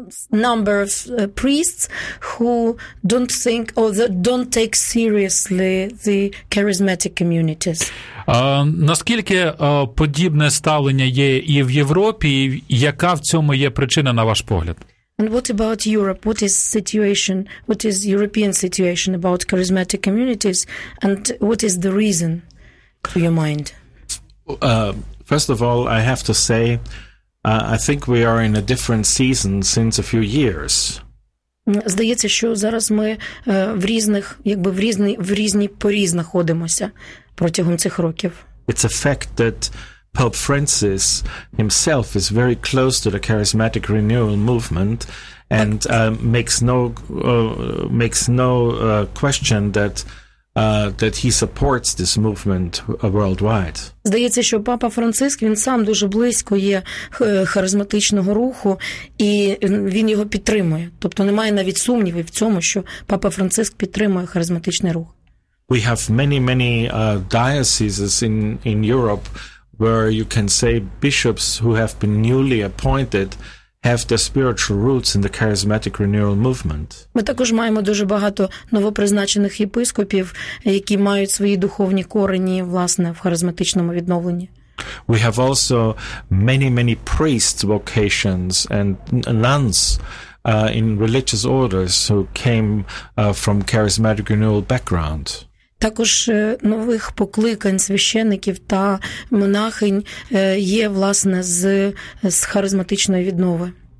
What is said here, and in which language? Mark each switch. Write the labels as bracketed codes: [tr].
[en] number of priests who don't think or that don't take seriously the charismatic communities. [uk] Наскільки подібне ставлення є і в Європі, і яка в цьому є причина, на ваш погляд? [en] And what about Europe? What is situation? What is European situation about charismatic communities? And what is the reason to your mind? First of all, I have to say, I think we are in a different season since a few years. [uk] Здається, що зараз ми в різних, якби в різні порі знаходимося протягом цих років. [en] It's a fact that Pope Francis himself is very close to the charismatic renewal movement and makes no question that he supports this movement worldwide. [uk] Здається, що папа Франциск, він сам дуже близько є харизматичного руху і він його підтримує. Тобто немає навіть сумнівів в цьому, що папа Франциск підтримує харизматичний рух. [en] We have many dioceses in Europe where you can say bishops who have been newly appointed have their spiritual roots in the charismatic renewal movement. [uk] Ми також маємо дуже багато новопризначених єпископів, які мають свої духовні корені власне в харизматичному відновленні. [en] We have also many priests vocations and nuns in religious orders who came from charismatic renewal background. [uk] Також нових покликань священників та монахинь є власне з харизматичної віднови.